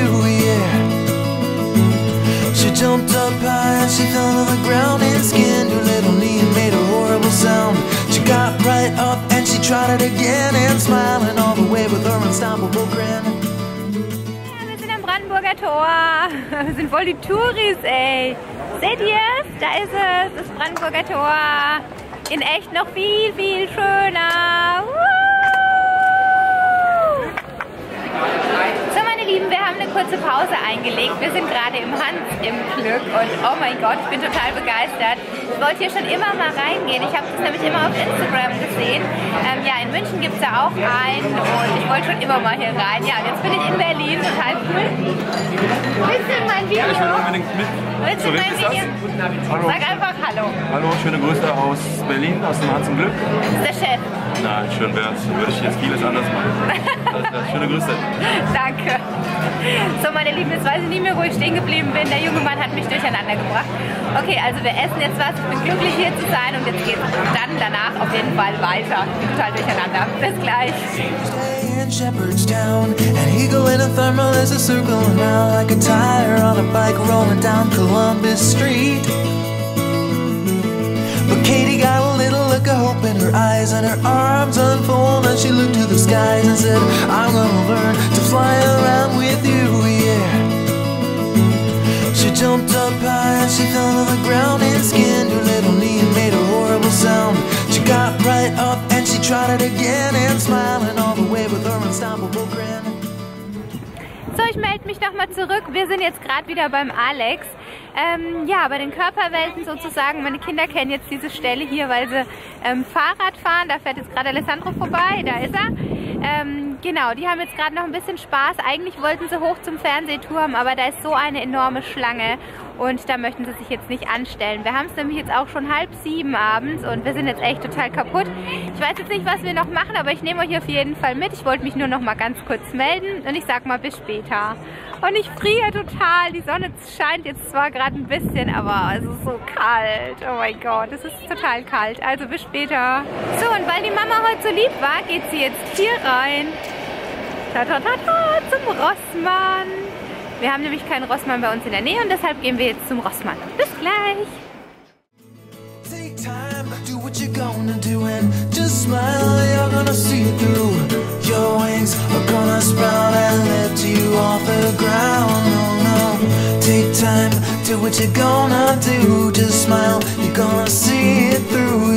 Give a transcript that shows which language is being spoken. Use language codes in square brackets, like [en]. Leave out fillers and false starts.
[en] She jumped up high and she fell to the ground and skinned her little knee and made a horrible sound. She got right up and she trotted again and smiling all the way with her unstoppable grin. [de] Ja, wir sind am Brandenburger Tor. Wir sind voll die Touris, ey. Seht ihr es? Da ist es, das Brandenburger Tor. In echt noch viel, viel schöner. Wir haben eine kurze Pause eingelegt. Wir sind gerade im Hans im Glück und oh mein Gott, ich bin total begeistert. Ich wollte hier schon immer mal reingehen. Ich habe das nämlich immer auf Instagram gesehen. In München gibt es da auch einen und ich wollte schon immer mal hier rein. Ja, jetzt bin ich in Berlin, total cool. Willst du mein Video? Ja, ich will unbedingt mit. Willst du mein Video? Hallo. Sag einfach Hallo. Hallo, schöne Grüße aus Berlin, aus dem Hans im Glück. Das ist der Chef. Nein, schön wär's. Würde ich jetzt vieles anders machen. Also, schöne Grüße. Danke. So, meine Lieben, jetzt weiß ich nicht mehr, wo ich stehen geblieben bin. Der junge Mann hat mich durcheinander gebracht. Okay, also wir essen jetzt was. Ich bin glücklich, hier zu sein. Und jetzt geht's dann danach auf jeden Fall weiter. Ich bin total durcheinander. Bis gleich. [en] In Shepherdstown, an eagle in a thermal is a circle now, like a tire on a bike rolling down Columbus Street. But Katie got a little look of hope in her eyes, and her arms unfold, and she looked to the skies and said, I'm gonna learn to fly around with you, yeah. She jumped up high and she fell to the ground and skinned her little knee and made a horrible sound. She got right up and she trotted again and smiling all the way with her unstoppable grin. [de] So, ich melde mich nochmal zurück. Wir sind jetzt gerade wieder beim Alex. Bei den Körperwelten sozusagen. Meine Kinder kennen jetzt diese Stelle hier, weil sie Fahrrad fahren. Da fährt jetzt gerade Alessandro vorbei. Da ist er. Die haben jetzt gerade noch ein bisschen Spaß. Eigentlich wollten sie hoch zum Fernsehturm, aber da ist so eine enorme Schlange und da möchten sie sich jetzt nicht anstellen. Wir haben es nämlich jetzt auch schon 6:30 abends und wir sind jetzt echt total kaputt. Ich weiß jetzt nicht, was wir noch machen, aber ich nehme euch auf jeden Fall mit. Ich wollte mich nur noch mal ganz kurz melden und ich sag mal bis später. Und ich friere total. Die Sonne scheint jetzt zwar gerade ein bisschen, aber es ist so kalt. Oh mein Gott, es ist total kalt. Also bis später. So, und weil die Mama heute so lieb war, geht sie jetzt hier rein. Ta-ta-ta-ta, zum Rossmann. Wir haben nämlich keinen Rossmann bei uns in der Nähe und deshalb gehen wir jetzt zum Rossmann. Bis gleich. [en] Take time, do what you're gonna do and just smile, you're gonna see it through. Your wings are gonna sprout and lift you off the ground. Oh no, take time, do what you're gonna do, just smile, you're gonna see it through.